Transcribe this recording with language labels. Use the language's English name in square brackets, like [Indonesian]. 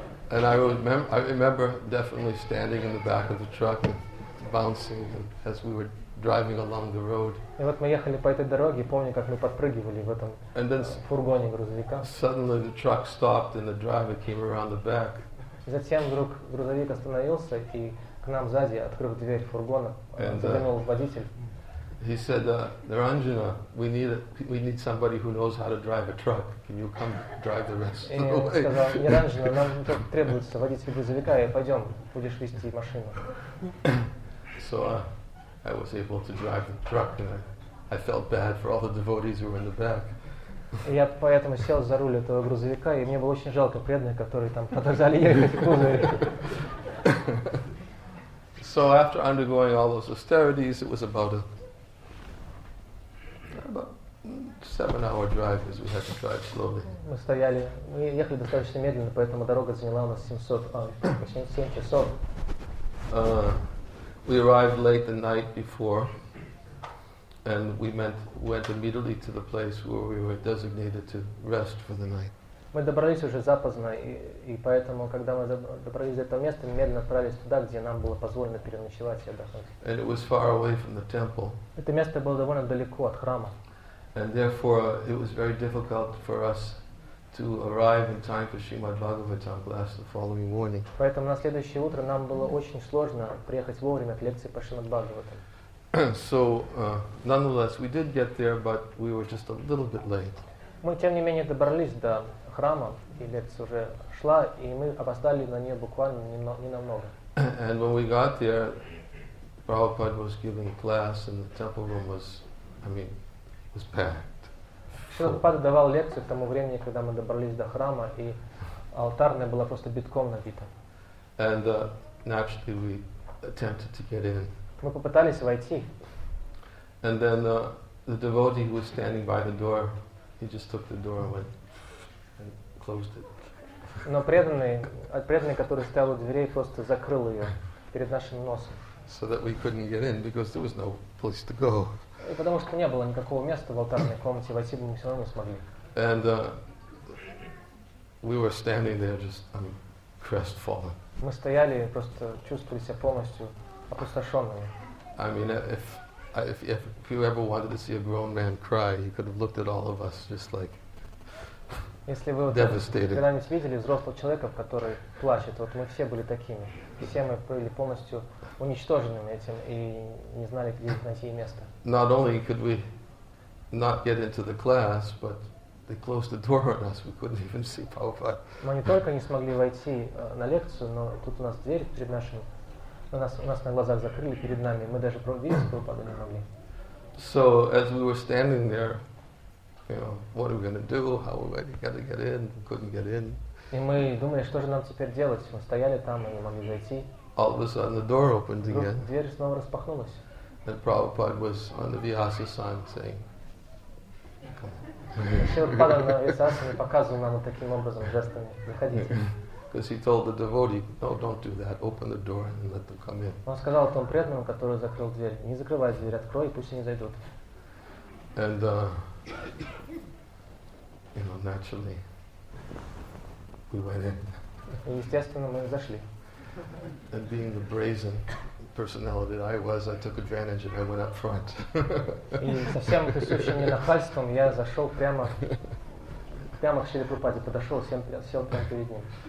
[English] And I remember definitely standing in the back of the truck and bouncing and as we were driving along the road. [Russian] И вот мы ехали по этой дороге, помню, как мы подпрыгивали в этом фургоне грузовика. [English] Suddenly the truck stopped and the driver came around the back. [Russian] Затем вдруг грузовик остановился и к нам сзади, открыв дверь фургона, заглянул водитель. [English] He said, Niranjana, we need somebody who knows how to drive a truck. Can you come drive the rest of the way? [Russian] И он сказал, Niranjana, нам требуется водитель грузовика, и пойдем, будешь вести машину. [English] So I was able to drive the truck, and I felt bad for all the devotees who were in the back. [Russian] Я поэтому сел за руль этого грузовика, и мне было очень жалко преданных, которые там продолжали ехать в кузове. [English] So after undergoing all those austerities, it was about 7-hour drive, as we had to drive slowly. [Russian] Мы ехали достаточно медленно, поэтому дорога заняла у нас 7 часов. [English] We arrived late the night before, and we went immediately to the place where we were designated to rest for the night. [Russian] Мы добрались уже запоздно, и поэтому, когда мы добрались до этого места, мы медленно отправились туда, где нам было позволено переночевать и отдохнуть. [English] And it was far away from the temple. [Russian] Это место было довольно далеко от храма. [English] And therefore, it was very difficult for us to arrive in time for Srimad Bhagavatam class the following morning. [Russian] Поэтому на следующее утро нам было очень сложно приехать вовремя к лекции по Шримад Бхагаватам. [English] So, nonetheless, we did get there, but we were just a little bit late. [Russian] Мы тем не менее добрались до храма, и лекция уже шла, и мы опоздали на нее буквально не намного. [English] And when we got there, Prabhupada was giving class, and the temple room was, was packed. [Russian] Шрилапада давал лекцию к тому времени, когда мы добрались до храма, и алтарная была просто битком набита. [English] And naturally we attempted to get in. [Russian] Мы попытались войти. [English] And then the devotee who was standing by the door, he just took the door and went and closed it. [Russian] Но преданный, который стоял у дверей, просто закрыл ее перед нашим носом. [English] So that we couldn't get in because there was no place to go. [Russian] И потому что не было никакого места в алтарной комнате, войти бы мы все равно не смогли. [English] And we were standing there just, I mean, crestfallen. [Russian] Мы стояли и просто чувствовали себя полностью опустошенными. [English] I mean, if you ever wanted to see a grown man cry, you could have looked at all of us just like [Russian] Если вы когда-нибудь видели взрослого человека, который плачет, вот мы все были такими. Все мы были полностью уничтоженными этим и не знали, где найти место. [English] Not only could we not get into the class, but they closed the door on us. We couldn't even see Prabhupada. [Russian] Мы не только не смогли войти на лекцию, но тут у нас дверь перед нашим... У нас на глазах закрыли перед нами. Мы даже видеть Прабхупаду не могли. [English] So, as we were standing there, you know, what are we going to do? How are we going to get in? Couldn't get in. [Russian] И мы думали, что же нам теперь делать? Мы стояли там, и не могли зайти. [English] All of a sudden, the door opened again. [Russian] Дверь снова распахнулась. [English] And Prabhupada was on the Vyasasana saying, [Russian] Шрилапада на Вьясасане показывал нам таким образом жестами. Заходите. [English] Because he told the devotee, no, don't do that. Open the door and let them come in. [Russian] Он сказал тому преданному, который закрыл дверь, не закрывай дверь, открой, и пусть они зайдут. [English] And, you know, naturally, we went in. [Russian] И естественно, мы зашли. [English] And being the brazen personality that I was, I took advantage and I went up front. [Russian] И совсем присущим мне нахальством, я зашел прямо к Шриле Прабхупаде, подошел, сел прямо перед ним.